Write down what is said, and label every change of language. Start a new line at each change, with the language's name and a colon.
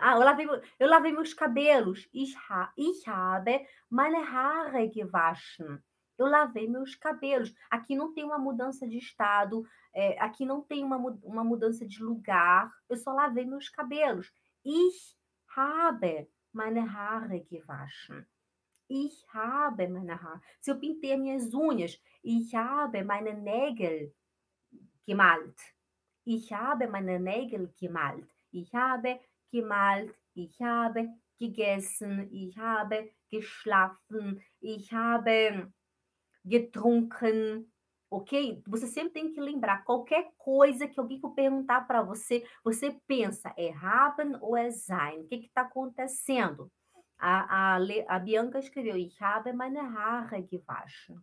Portuguese: Ah, eu lavei meus cabelos.
German: Ich habe meine Haare gewaschen.
Portuguese: Eu lavei meus cabelos. Aqui não tem uma mudança de estado. Aqui não tem uma mudança de lugar. Eu só lavei meus cabelos.
German: Habe meine Haare gewaschen. Ich habe meine Haare.
Portuguese: Se eu pintei minhas unhas.
German: Ich habe meine Nägel gemalt. Ich habe meine Nägel gemalt. Ich habe gemalt. Ich habe gegessen. Ich habe geschlafen. Ich habe getrunken. Ok?
Portuguese: Você sempre tem que lembrar. Qualquer coisa que alguém for perguntar para você, você pensa, é haben ou é sein? O que está acontecendo? A Bianca escreveu,
German: ich habe meine Haare gewaschen.